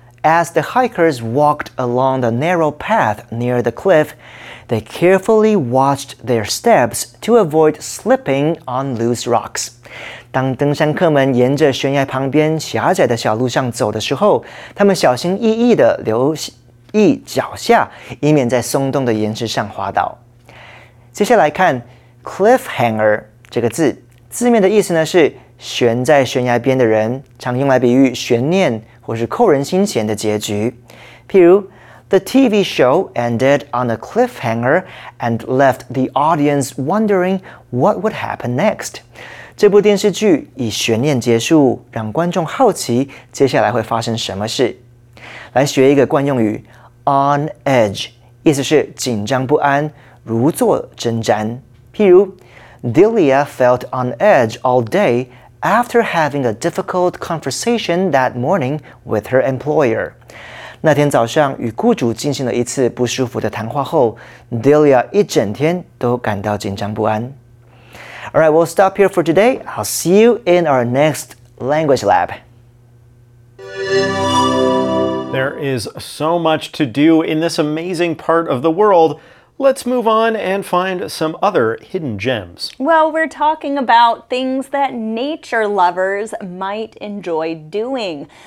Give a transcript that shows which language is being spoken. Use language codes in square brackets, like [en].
[en] As the hikers walked along the narrow path near the cliff, they carefully watched their steps to avoid slipping on loose rocks. [zh] 当登山客们沿着悬崖旁边狭窄的小路上走的时候，他们小心翼翼地留意脚下，以免在松动的岩石上滑倒。接下来看 cliffhanger 这个字，字面的意思呢是悬在悬崖边的人，常用来比喻悬念或是扣人心弦的结局。譬如 [en] The TV show ended on a cliffhanger and left the audience wondering what would happen next. [zh] 这部电视剧以悬念结束，让观众好奇接下来会发生什么事。来学一个惯用语 on edge， 意思是紧张不安，如坐针毡。譬如 [en] Delia felt on edge all dayAfter having a difficult conversation that morning with her employer. [zh] 那天早上与雇主进行了一次不舒服的谈话后， Delia 一整天都感到紧张不安。 [en] All right, we'll stop here for today. I'll see you in our next language lab. There is so much to do in this amazing part of the world. Let's move on and find some other hidden gems. Well, we're talking about things that nature lovers might enjoy doing.